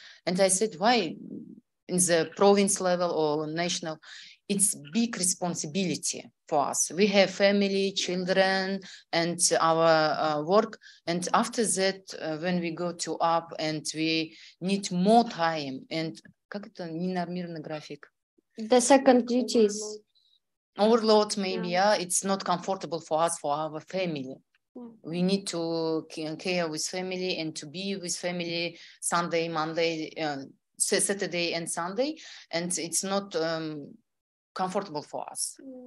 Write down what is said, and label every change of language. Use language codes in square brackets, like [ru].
[en] And I said, why in the province level or national? It's big responsibility for us. We have family, children, and our work. And after that, when we go to up, and we need more time. And [ru] как это ненормированный график? [en] The second duties. Overload, maybe. Yeah, it's not comfortable for us, for our family. Yeah. We need to care with family and to be with family Sunday, Monday, Saturday, and Sunday. And it's not comfortable for us.